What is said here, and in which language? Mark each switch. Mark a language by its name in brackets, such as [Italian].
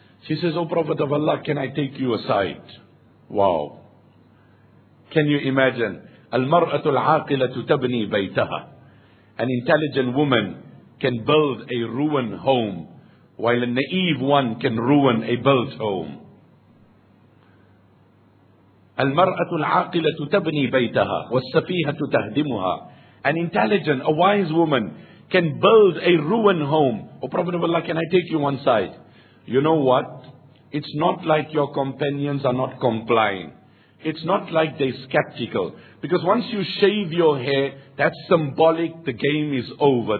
[English] She says, oh Prophet of Allah, can I take you aside? Wow. Can you imagine? [Arabic] Al-mar'atul aqilatu tabni baytaha. [English] An intelligent woman can build a ruined home, while a naive one can ruin a built home. [Arabic] المرأة العاقلة تبني بيتها والسفيهة تهدمها. [English] An intelligent, a wise woman can build a ruined home. Oh Prophet of Allah, can I take you one side? You know what? It's not like your companions are not complying. It's not like they're skeptical. Because once you shave your hair, that's symbolic, the game is over.